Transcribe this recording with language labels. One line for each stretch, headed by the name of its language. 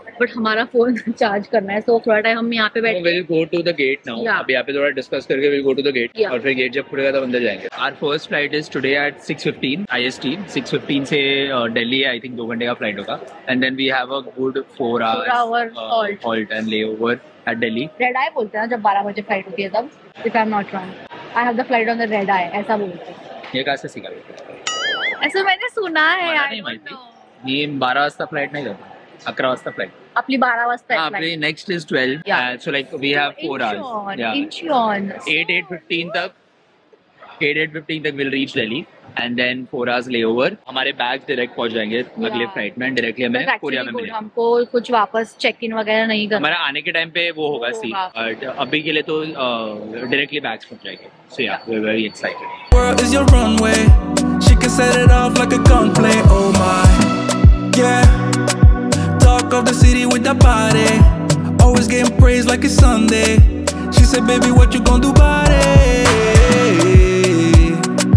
Hindi: But हमारा phone charge करना है, so थोड़ा टाइम हम यहाँ पे बैठे।
English: We'll go to the gate now. Yeah.
Hindi: अभी यहाँ पे थोड़ा डिस्कस करके
English: we'll go to the gate. Yeah.
Hindi: और फिर गेट जब खुलेगा तब अंदर जाएंगे।
English: Our first flight is today at 6:15 IST.
Hindi: 6:15 से दिल्ली है,
English: I think
Hindi: 2 घंटे का flight होगा.
English: And then we have a good 4 hour halt and layover at Delhi.
Hindi: Red eye बोलते हैं जब 12 बजे flight होती है तब.
English: If I'm not wrong, I have the flight on the red eye.
Hindi: ऐसा बोलते हैं। ये कैसे सीखा गया? ऐसा मैंने सुना है यार. नहीं, 12 बजे का flight नहीं करता.
English: Across the flight.
Hindi: अपनी 12 बजे का
English: flight. अपनी next is 12. Yeah. So like we have 4 hours. Inch on. 8:15 तक. 8:15 तक we'll reach Delhi and then 4 hours layover.
Hindi: हमारे bags direct पहुंच जाएंगे अगले flight में directly हमें Korea में मिलेंगे. हमको कुछ वापस check in वगैरह नहीं करना. हमारा आने के time पे वो होगा see. But अभी के लिए तो directly bags पहुंच जाएंगे.
English: So yeah, we're very excited. World is your runway. She can set it off like a gunplay. Oh my, yeah. Of the city with that body, always getting praised like it's Sunday. She said, baby, what you gonna do about it?